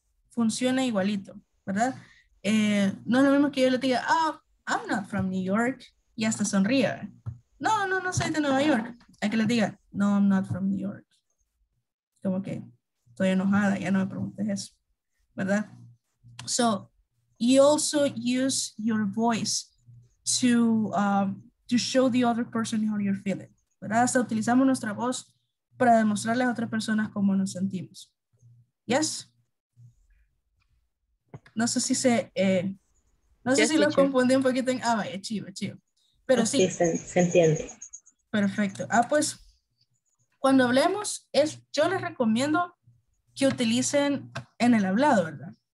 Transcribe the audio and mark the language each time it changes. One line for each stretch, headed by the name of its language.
Spanish: Funciona igualito, ¿verdad? No es lo mismo que yo le diga,
English: oh, I'm not from New York,
Spanish: y hasta sonría. No soy de Nueva York. a que les diga, no,
English: I'm not from New York.
Spanish: Como que estoy enojada, ya no me preguntes eso, ¿verdad?
English: So, you also use your voice to show the other person how you're feeling, ¿verdad?
Spanish: Hasta utilizamos nuestra voz para demostrarle a otras personas cómo nos sentimos.
English: ¿Yes?
Spanish: No sé si se... no sé si lo confundí un poquito. Ah, vaya, chido, chido. Pero okay, sí. Se entiende. Perfecto. Ah, pues, cuando hablemos, yo les recomiendo que utilicen en el hablado, ¿verdad?